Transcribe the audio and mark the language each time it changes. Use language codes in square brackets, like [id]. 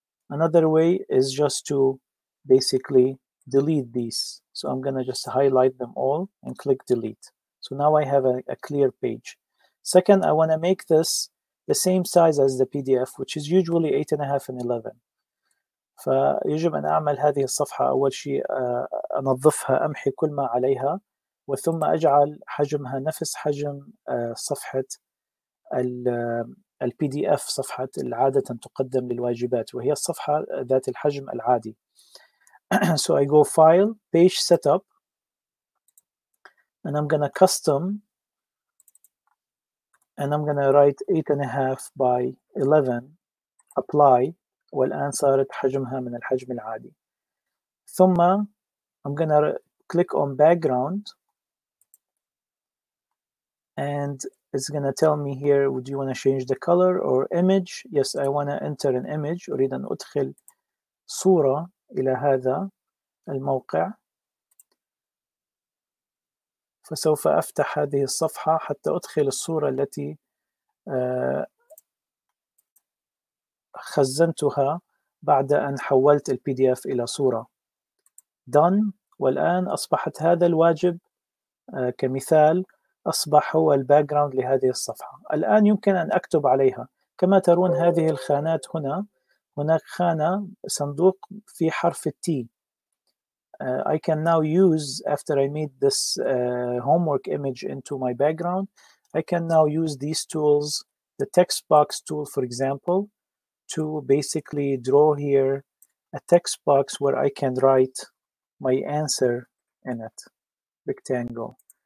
[en] Another way is just to basically delete these. So I'm going to just highlight them all and click delete. So now I have a clear page. Second, I want to make this the same size as the PDF, which is usually 8.5 and 11. [ar] فيجب أن أعمل هذه الصفحة أول شيء أنظفها، أمحي كل ما عليها، وثم أجعل حجمها نفس حجم صفحة الـ PDF، صفحة العادة تقدم للواجبات، وهي الصفحة ذات الحجم العادي. [en] So I go File, Page Setup, and I'm gonna custom. And I'm gonna write 8.5 by 11, apply. [ar] والآن صارت حجمها من الحجم العادي. ثم [en] I'm gonna click on background. And it's gonna tell me here, would you wanna change the color or image? Yes, I wanna enter an image. [ar] أريد أن أدخل صورة إلى هذا الموقع. فسوف أفتح هذه الصفحة حتى أدخل الصورة التي خزنتها بعد أن حولت الـ PDF إلى صورة. [en] Done. [ar] والآن أصبحت هذا الواجب كمثال أصبح هو الـ background لهذه الصفحة. الآن يمكن أن أكتب عليها. كما ترون هذه الخانات هنا، هناك خانة صندوق في حرف T. [en] I can now use, after I made this homework image into my background, I can now use these tools, the text box tool, for example, to basically draw here a text box where I can write my answer in it, rectangle.